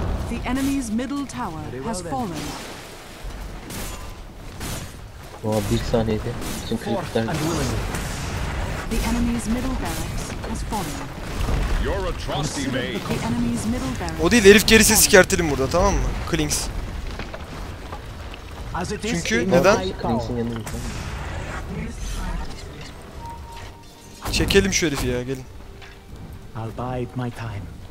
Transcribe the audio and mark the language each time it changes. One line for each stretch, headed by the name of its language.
English: The enemy's middle tower has fallen.
Turkish: Oh, bir saniyede bütün kripler.
English: The enemy's middle barracks has fallen. You're a trusty mate.
Turkish: O değil, herif gerisi sikertelim burada, tamam mı? Klinks. Çünkü neden? Klinks'in yanında. Çekelim şu herifi ya, gelin.
English: I'll bide my time.